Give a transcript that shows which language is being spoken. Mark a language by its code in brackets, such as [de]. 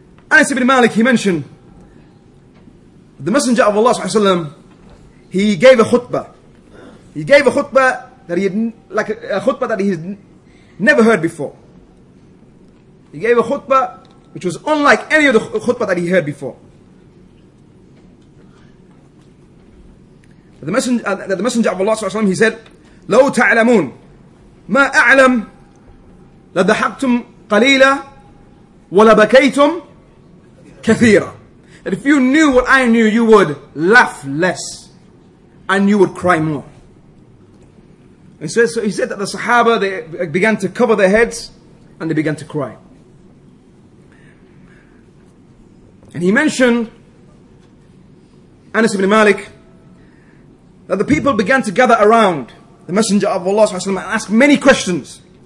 [en] Anas ibn Malik, he mentioned, the Messenger of Allah, sallallahu alayhi wa sallam, he gave a khutbah, that he had, like a khutbah that he had never heard before. He gave a khutbah which was unlike any of the khutbah that he heard before. The messenger of Allah Sallallahu Alaihi Wasallam, he said, [ar] "لو تعلمون ما أعلم لضحكتم قليلا ولبكيتم كثيرا." [en] That if you knew what I knew, you would laugh less and you would cry more. He said that the Sahaba, they began to cover their heads and they began to cry. And he mentioned, Anas ibn Malik, that the people began to gather around the Messenger of Allah Sallallahu Alaihi Wasallam and ask many questions.